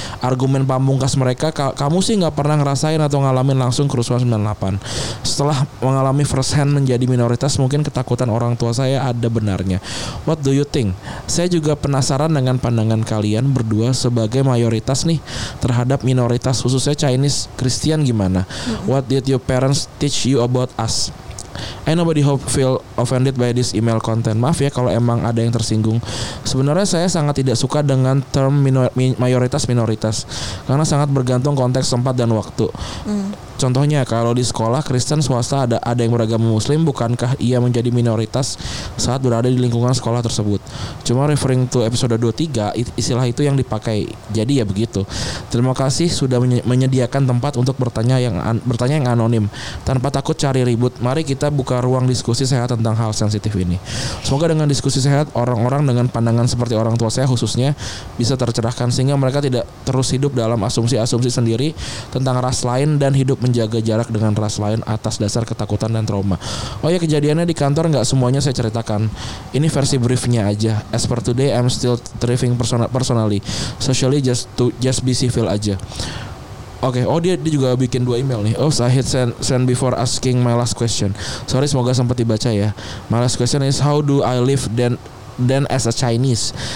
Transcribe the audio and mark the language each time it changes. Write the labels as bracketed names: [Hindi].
[Indonesian] Argumen pamungkas mereka, kamu sih gak pernah ngerasain atau ngalamin langsung kerusuhan 98. Setelah mengalami first hand menjadi minoritas, mungkin ketakutan orang tua saya ada benarnya. [English] What do you think? [Indonesian] Saya juga penasaran dengan pandangan kalian berdua sebagai mayoritas nih terhadap minoritas, khususnya Chinese Christian, gimana? [English] What did your parents teach you about us? I nobody hope feel offended by this email content. [Indonesian] Maaf ya kalau emang ada yang tersinggung. Sebenarnya saya sangat tidak suka dengan term mayoritas-minoritas karena sangat bergantung konteks tempat dan waktu. Contohnya kalau di sekolah Kristen swasta ada yang beragama muslim, bukankah ia menjadi minoritas saat berada di lingkungan sekolah tersebut? Cuma [English] referring to episode 23, [Indonesian] istilah itu yang dipakai. Jadi ya begitu. Terima kasih sudah menyediakan tempat untuk bertanya yang anonim tanpa takut cari ribut. Mari kita buka ruang diskusi sehat tentang hal sensitif ini. Semoga dengan diskusi sehat orang-orang dengan pandangan seperti orang tua saya khususnya bisa tercerahkan sehingga mereka tidak terus hidup dalam asumsi-asumsi sendiri tentang ras lain dan hidup menjaga jarak dengan ras lain atas dasar ketakutan dan trauma. Oh ya, kejadiannya di kantor gak semuanya saya ceritakan. Ini versi briefnya aja. [English] As per today I'm still thriving personally. Socially just be civil [Indonesian] aja. [English] Oke, okay. Oh [Indonesian] dia juga bikin dua email nih. [English] Oh, I hit send before asking my last question. Sorry, [Indonesian] semoga sempat dibaca ya. [English] My last question is how do I live then as a Chinese?